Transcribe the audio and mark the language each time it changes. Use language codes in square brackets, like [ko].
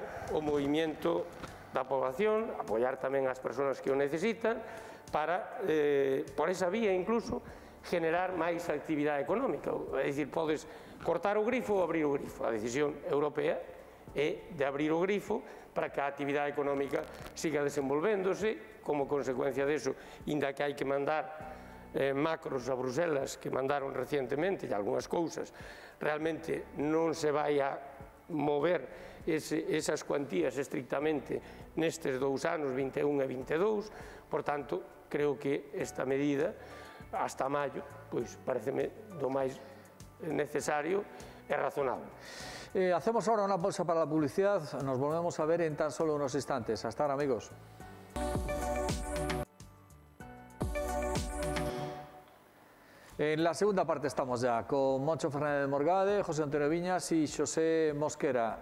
[gl] o movimento da población, apoiar tamén as persoas que o necesitan para, por esa vía incluso, generar máis actividade económica. É dicir, podes cortar o grifo ou abrir o grifo. A decisión europea é de abrir o grifo para que a actividade económica siga desenvolvéndose. Como consecuencia deso, inda que hai que mandar macros a Bruselas, que mandaron recientemente, e algunhas cousas, realmente non se vai a mover esas cuantías estrictamente nestes dous anos, 21 e 22, por tanto, creo que esta medida, hasta maio, pois, pareceme do máis necesario e razonable. [es] Hacemos ahora una pausa para la publicidad. Nos volvemos a ver en tan solo unos instantes. Hasta ahora, amigos. En la segunda parte estamos ya con Moncho Fernández de Morgade, José Antonio Viñas y José Mosquera.